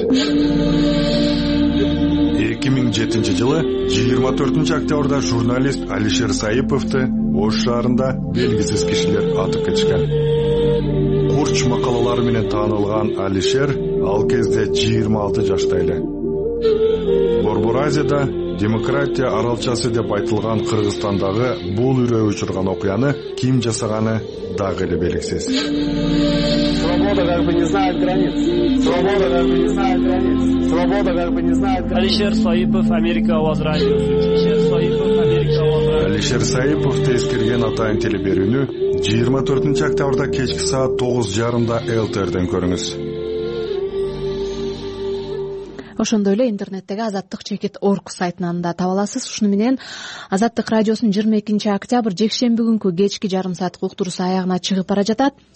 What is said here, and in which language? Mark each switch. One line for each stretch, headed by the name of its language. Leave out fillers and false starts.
Kyrgyz: 2007 жылы 24 октябрда журналист Алишер Саиповду Ош шаарында белгисиз кишилер атып кетишкен. Курч макалалары менен таанылган Алишер ал кезде 26 жашта эле. Борбор Азияда демократия аралчасы деп айтылган Кыргызстандагы бул үрөө учурган окуяны ким жасаганы дагы эле белгисиз.
Russian: Свобода как бы не знает границ. Свобода как бы не знает границ. Свобода как бы не знает границ.
Kyrgyz: Алишер Саипов, Америка Возрадио. Алишер Саиповду эскерген атайын телеберүүнү 24 октябрда кечки саат 9:30 ЛТРден көрүңүз. Ошондой эле интернеттеги Азаттык чекит орг сайтынан да таба аласыз. Ушуну менен Азаттык радиосунун 22-октябрь жекшемби күнкү кечки жарым сааттык уктуруусу аягына чыгып бара жатат.